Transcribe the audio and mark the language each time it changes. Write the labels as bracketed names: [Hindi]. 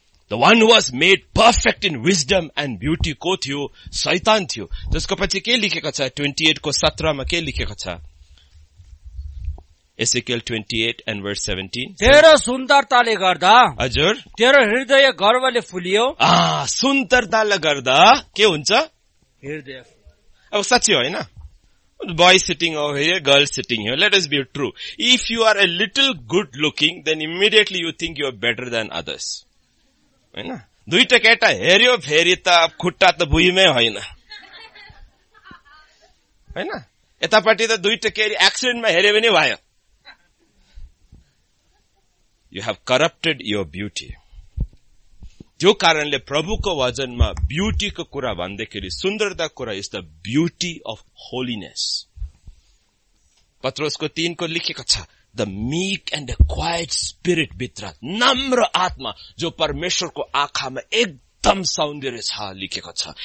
[English] the one was made perfect in wisdom and beauty [Nepali] को थियो? शैतान थियो. त्यसको पछि के लेखेको छ? 28:17 के लेखेको छ? [English] Ezekiel 28 and verse 17. [Nepali] तेरो सुन्दरताले गर्दा, हजुर, तेरो हृदय गर्वले फुलियो. सुन्दरताले गर्दा के हुन्छ? हृदय. अब साँच्चै होइन, [English] Boy sitting over here, girl sitting here, let us be true. If you are a little good looking, then immediately you think you are better than others. [Nepali] होइन, दुईटा केटा हेर्यो फेरि त खुट्टा त भुइँमै होइन, होइन, यतापट्टि त दुईटा केरी एक्सिडेन्टमा हेऱ्यो पनि भयो. [English] You have corrupted your beauty. [Nepali] त्यो कारणले प्रभुको वचनमा ब्युटीको कुरा भन्दाखेरि, सुन्दरताको कुरा, [English] Is the beauty of holiness. [Nepali] पत्रोसको 3 लेखेको छ, [English] the meek and quiet spirit, [Nepali] भित्र नम्र आत्मा जो परमेश्वरको आँखामा एकदम सौन्दर्य छ लेखेको छ.